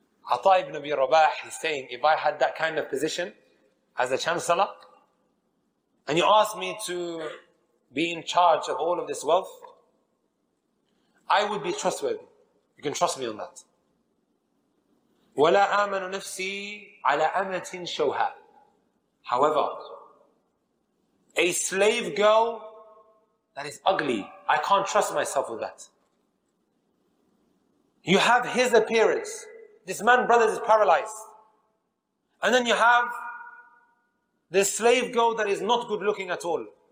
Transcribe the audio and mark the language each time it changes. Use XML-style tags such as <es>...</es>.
<en>Atta ibn Abi Rabah is saying, if I had that kind of position as a Chancellor, and you asked me to be in charge of all of this wealth, I would be trustworthy. You can trust me on that.</en> <ar>ولا آمن نفسي على أمة شوها.</ar> <en>However, a slave girl that is ugly, I can't trust myself with that. You have his appearance. This man, brothers, is paralyzed. And then you have this slave girl that is not good looking at all.</en>